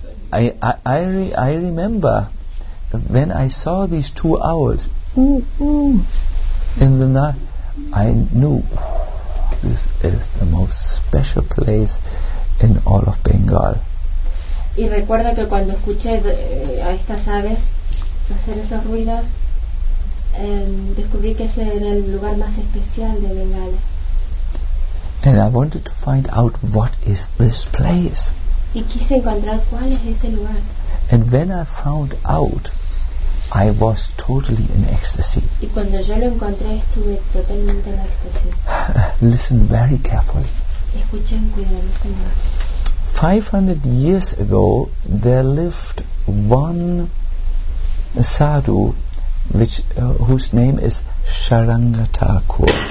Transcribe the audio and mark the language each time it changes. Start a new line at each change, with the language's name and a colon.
English: I remember when I saw these two owls in the night, I knew this is the most special place in all of Bengal.
Spanish: Y recuerdo que cuando escuché a estas aves hacer esos ruidos, descubrí que ese era el lugar más especial de Bengal.
English: And I wanted to find out what is this place.
Spanish: Y quise encontrar cuál es ese lugar.
English: And when I found out, I was totally in ecstasy.
Spanish: Y cuando yo lo encontré, estuve totalmente en ecstasy.
English: Listen very carefully.
Spanish: Escuchen cuidadosamente.
English: 500 years ago, there lived one sadhu, whose name is Sharangatakur.